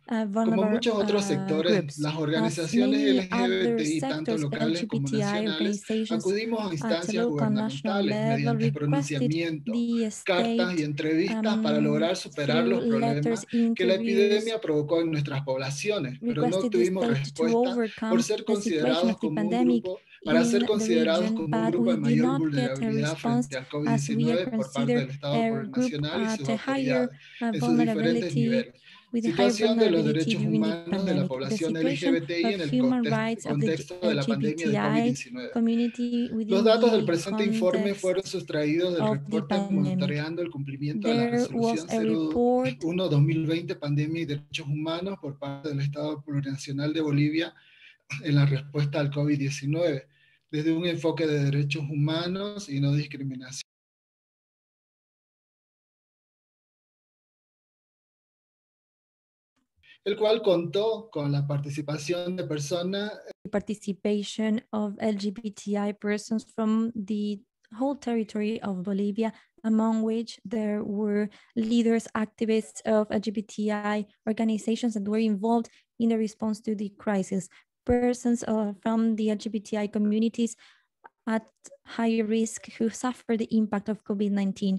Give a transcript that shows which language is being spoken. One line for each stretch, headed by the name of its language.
Spanish: Como muchos otros sectores, las organizaciones LGBTI, tanto locales como nacionales, acudimos a instancias gubernamentales mediante pronunciamiento, cartas y entrevistas para lograr superar los problemas que la epidemia provocó en nuestras poblaciones, pero no obtuvimos respuesta por ser considerados como un grupo para ser considerados como un grupo de mayor vulnerabilidad frente al COVID-19 por parte del Estado Plurinacional y sus autoridades en sus diferentes niveles.
English: with the high vulnerability during the pandemic. The situation of human rights of the LGBTI community within the context of the pandemic. There was a report
Spanish: 1-2020, Pandemia y Derechos Humanos, por parte del Estado Plurinacional de Bolivia, en la respuesta al COVID-19, desde un enfoque de derechos humanos y no discriminación. El cual contó con la participación de personas.
English: Participation of LGBTI persons from the whole territory of Bolivia, among which there were leaders, activists of LGBTI organizations that were involved in the response to the crisis. Persons from the LGBTI communities at high risk who suffered the impact of COVID-19.